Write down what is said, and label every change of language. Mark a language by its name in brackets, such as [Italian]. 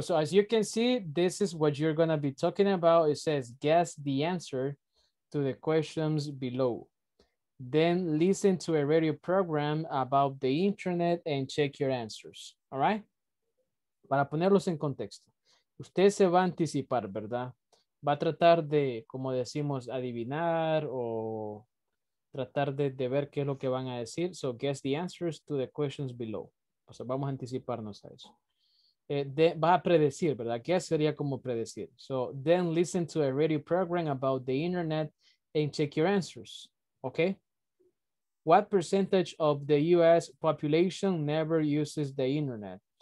[English] So as you can see, this is what you're going to be talking about. It says, guess the answer to the questions below. Then listen to a radio program about the internet and check your answers, all right? [Spanish] Para ponerlos en contexto, usted se va a anticipar, ¿verdad? Va a tratar de, como decimos, adivinar o tratar de ver qué es lo que van a decir. [English] So, guess the answers to the questions below. [Spanish] O sea, vamos a anticiparnos a eso. Va a predecir, ¿verdad? [English] Guess [Spanish] sería como predecir. [English] So, then listen to a radio program about the internet and check your answers, ¿okay? What percentage of the U.S. population never uses the internet?